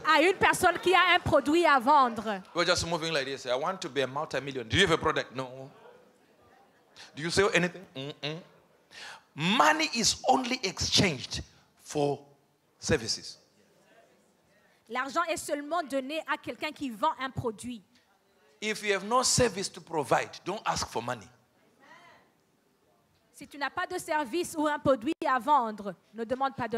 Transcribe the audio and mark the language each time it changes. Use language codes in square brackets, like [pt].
[fr] À une personne qui a un produit à vendre. [en] We're just moving like this. I want to be a multi-millionaire. Do you have a product? No. Do you sell anything? Mm-mm. Money is only exchanged for services. [fr] L'argent est seulement donné à quelqu'un qui vend un produit. [en] If you have no service to provide, don't ask for money. [fr] Si tu n'as pas de service ou un produit à vendre, ne demande pas de